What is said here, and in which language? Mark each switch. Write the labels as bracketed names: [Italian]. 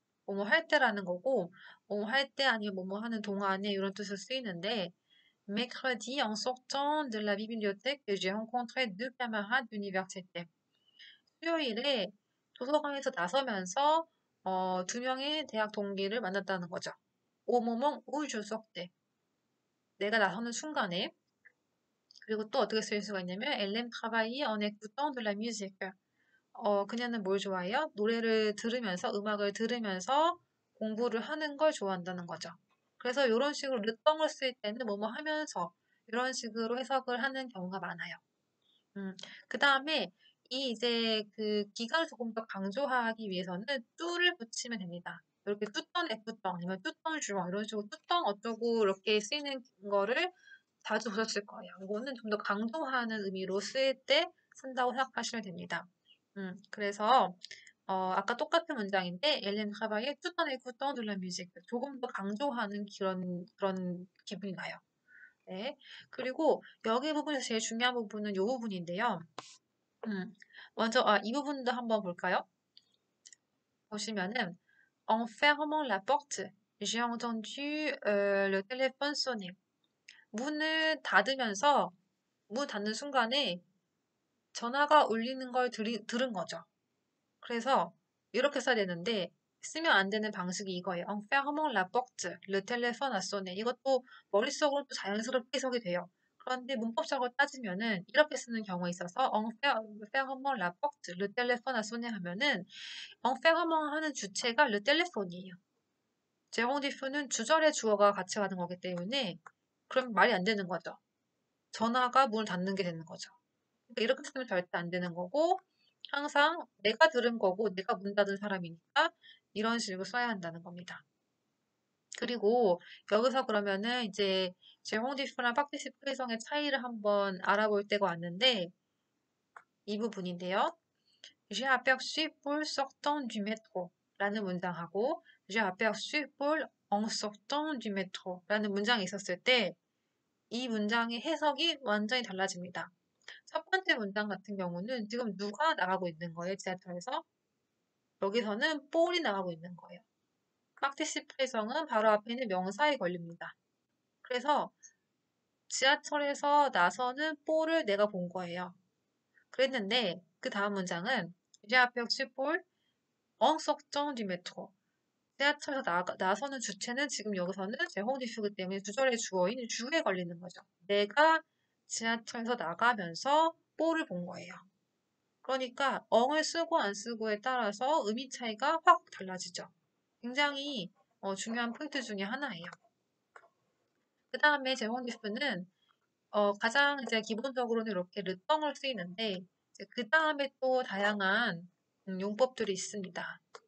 [Korean] 뭐뭐 할 때라는 거고, 뭐뭐 할때 아니면 뭐뭐 하는 동안에 이런 뜻을 쓰이는데, [French] Mercredi, en sortant de la bibliothèque, j'ai rencontré deux camarades d'université. [Korean] 수요일에 도서관에서 나서면서 두 명의 대학 동기를 만났다는 거죠. [French] Au moment où je sortais. [Korean] 내가 나서는 순간에. 그리고 또 어떻게 쓰일 수가 있냐면, [French] Elle aime travailler en écoutant de la musique. [Korean] 그녀는 뭘 좋아해요? 노래를 들으면서, 음악을 들으면서 공부를 하는 걸 좋아한다는 거죠. 그래서 이런 식으로 르똥을 쓸 때는 뭐뭐 하면서 이런 식으로 해석을 하는 경우가 많아요. 그 다음에 이 이제 그 기간을 조금 더 강조하기 위해서는 뚜를 붙이면 됩니다. 이렇게 뚜똥 에뚜똥 아니면 뚜똥 주렁 이런 식으로 뚜똥 어쩌고 이렇게 쓰이는 거를 자주 보셨을 거예요. 이거는 좀더 강조하는 의미로 쓸때 쓴다고 생각하시면 됩니다. 그래서 아까 똑같은 문장인데, 엘렌 카바의 투턴의 쿠톤 둘러 뮤직. 조금 더 강조하는 그런 기분이 나요. 네. 그리고 여기 부분에서 제일 중요한 부분은 이 부분인데요. 먼저, 이 부분도 한번 볼까요? 보시면은, [French] En fermant la porte, j'ai entendu le téléphone sonner. [Korean] 문을 닫으면서, 문 닫는 순간에 전화가 울리는 걸 들은 거죠. 그래서 이렇게 써야 되는데 쓰면 안 되는 방식이 이거예요. [French] En fermant la porte, le téléphone a sonné. [Korean] 이것도 머릿속으로 자연스럽게 해석이 돼요. 그런데 문법적으로 따지면은 이렇게 쓰는 경우에 있어서 [French] En fermant la porte, le téléphone a sonné [Korean] 하면은 [French] En fermant [Korean] 하는 주체가 le téléphone이에요. 제공디프는 주절의 주어가 같이 가는 거기 때문에 그럼 말이 안 되는 거죠. 전화가 문을 닫는 게 되는 거죠. 그러니까 이렇게 쓰면 절대 안 되는 거고 항상 내가 들은 거고 내가 문 닫은 사람이니까 이런 식으로 써야 한다는 겁니다. 그리고 여기서 그러면은 이제 제홍디프랑 파르티시피성의 차이를 한번 알아볼 때가 왔는데 이 부분인데요. [French] J'ai aperçu Paul sortant du métro [Korean] 라는 문장하고 [French] J'ai aperçu Paul en sortant du métro [Korean] 라는 문장이 있었을 때이 문장의 해석이 완전히 달라집니다. 첫 번째 문장 같은 경우는 지금 누가 나가고 있는 거예요? 지하철에서? 여기서는 볼이 나가고 있는 거예요. 파르티시피성은 바로 앞에 있는 명사에 걸립니다. 그래서 지하철에서 나서는 볼을 내가 본 거예요. 그랬는데 그 다음 문장은 [French] J'ai aperçu Paul en sortant du métro. [Korean] 지하철에서 나서는 주체는 지금 여기서는 제홍디스기 때문에 주절의 주어인 주에 걸리는 거죠. 내가 지하철에서 나가면서 볼을 본 거예요. 그러니까 엉을 쓰고 안 쓰고에 따라서 의미 차이가 확 달라지죠. 굉장히 중요한 포인트 중에 하나예요. 그 다음에 제홍디프는 가장 이제 기본적으로는 이렇게 르똥을 쓰이는데 그 다음에 또 다양한 용법들이 있습니다.